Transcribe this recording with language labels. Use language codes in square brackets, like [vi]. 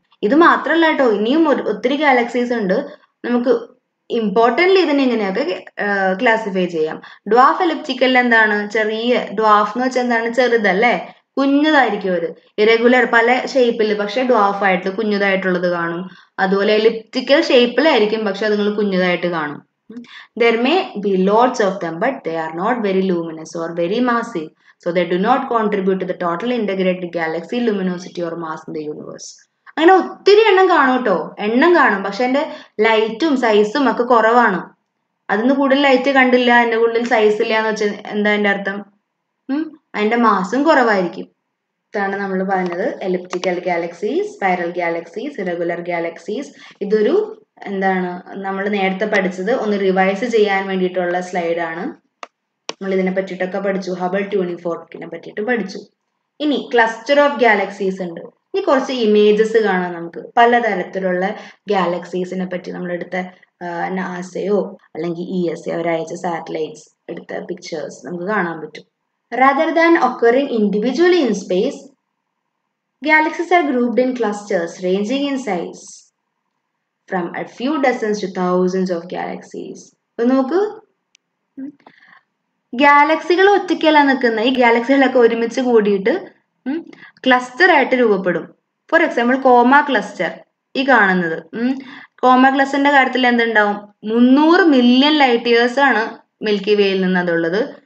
[ml] ഇത് മാത്രമല്ല കേട്ടോ, ഇനിയും ഒത്തിരി ഗാലക്സീസ് ഉണ്ട്. നമുക്ക് ഇമ്പോർട്ടൻ്റ് ഇതിനെ ഇങ്ങനെയൊക്കെ ക്ലാസിഫൈ ചെയ്യാം. ഡ്വാഫ് എലിപ്റ്റിക്കലിൽ എന്താണ്, ചെറിയ ഡ്വാഫ് എന്ന് വെച്ചാൽ എന്താണ്, ചെറുതല്ലേ, കുഞ്ഞതായിരിക്കും, അത് ഇറെഗുലർ പല ഷേപ്പിൽ, പക്ഷെ ഡ്വാഫ് ആയിട്ട് കുഞ്ഞതായിട്ടുള്ളത് കാണും. അതുപോലെ എലിപ്റ്റിക്കൽ ഷേപ്പിലായിരിക്കും, പക്ഷെ അതുങ്ങൾ കുഞ്ഞതായിട്ട് കാണും. [en] There may be lots of them, but they are not very luminous or very massive, so they do not contribute to the total integrated galaxy luminosity or mass in the universe. [ml] അങ്ങനെ ഒത്തിരി എണ്ണം കാണും കേട്ടോ, എണ്ണം കാണും, പക്ഷെ അതിന്റെ ലൈറ്റും സൈസും ഒക്കെ കുറവാണ്. അതിന് കൂടുതൽ ലൈറ്റ് കണ്ടില്ല, അതിന്റെ കൂടുതൽ സൈസ് ഇല്ല എന്ന് വെച്ചാൽ എന്താ അതിന്റെ അർത്ഥം? അതിന്റെ മാസും കുറവായിരിക്കും. ഇതാണ് നമ്മൾ പറഞ്ഞത് elliptical galaxies, spiral galaxies, irregular galaxies. ഇതൊരു എന്താണ് നമ്മൾ നേരത്തെ പഠിച്ചത്, ഒന്ന് റിവൈസ് ചെയ്യാൻ വേണ്ടിയിട്ടുള്ള സ്ലൈഡാണ്. നമ്മൾ ഇതിനെ പറ്റിയിട്ടൊക്കെ പഠിച്ചു, ഹബൾ ട്യൂണിഫോർക്കിനെ പറ്റിയിട്ട് പഠിച്ചു. ഇനി ക്ലസ്റ്റർ ഓഫ് ഗാലക്സീസ് ഉണ്ട്. ഇനി കുറച്ച് ഇമേജസ് കാണാം നമുക്ക് പലതരത്തിലുള്ള ഗാലക്സീസിനെ പറ്റി. നമ്മളെടുത്ത നാസയോ അല്ലെങ്കിൽ ESA ഒരാഴ്ച സാറ്റലൈറ്റ്സ് എടുത്ത പിക്ചേഴ്സ് നമുക്ക് കാണാൻ പറ്റും. [en] Rather than occurring individually in space, galaxies are grouped in clusters ranging in size from a few dozens to thousands of galaxies. [ml] നോക്കൂ, ഗാലക്സികൾ ഒറ്റയ്ക്കല്ല നിൽക്കുന്ന, ഈ ഗാലക്സികളൊക്കെ ഒരുമിച്ച് കൂടിയിട്ട് ക്ലസ്റ്റർ ആയിട്ട് രൂപപ്പെടും. ഫോർ എക്സാമ്പിൾ കോമ ക്ലസ്റ്റർ ഈ കാണുന്നത്. കോമ ക്ലസ്റ്ററിന്റെ കാര്യത്തിൽ എന്തുണ്ടാവും? 300 മില്യൺ ലൈറ്റ് ഇയേഴ്സ് ആണ് മിൽക്കി വേയിൽ നിന്ന് അതുള്ളത്.